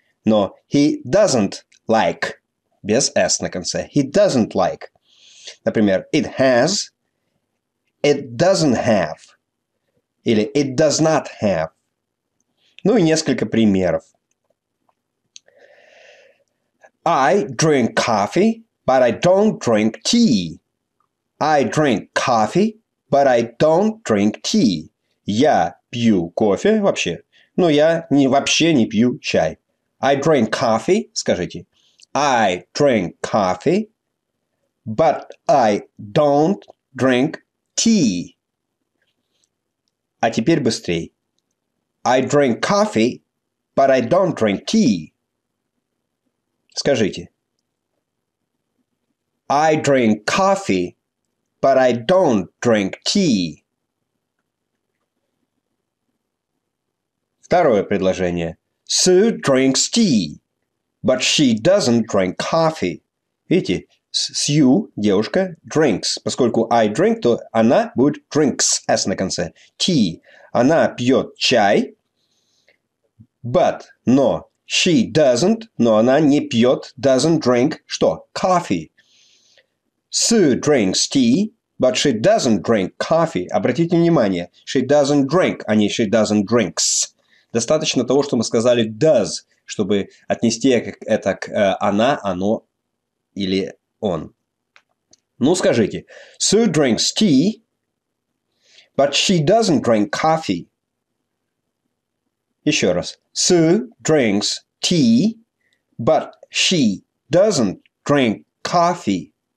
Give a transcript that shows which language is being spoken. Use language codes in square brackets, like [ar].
[ru] Но [en] he doesn't like, [ru] без s на конце, [en] he doesn't like. [ru] Например, [en] it has, it doesn't have, [ru] или [en] it does not have. [ru] Ну и несколько примеров. [en] I drink coffee, but I don't drink tea. I drink coffee, but I don't drink tea. [ru] Я пью кофе вообще, но я вообще не пью чай. [en] I drink coffee, [ru] скажите. [en] I drink coffee, but I don't drink tea. [ru] А теперь быстрее. [en] I drink coffee, but I don't drink tea. [ru] Скажите. [en] I drink coffee, but I don't drink tea. [ru] Второе предложение. [en] Sue drinks tea, but she doesn't drink coffee. [ru] Видите, Sue, девушка, drinks. Поскольку [en] I drink, [ru] то она будет drinks, S на конце. Tea. Она пьет чай, but, но, [en] she doesn't, [ru] но она не пьет, [en] doesn't drink, [ru] что? Coffee. [en] Sue drinks tea, but she doesn't drink coffee. [ru] Обратите внимание, [en] she doesn't drink, [ru] а не [en] she doesn't drinks. [ru] Достаточно того, что мы сказали does, чтобы отнести это к она, оно или он. Ну, скажите. [en] Sue drinks tea, but she doesn't drink coffee. [ru] Еще раз. [en] Sue drinks tea, but she doesn't drink coffee.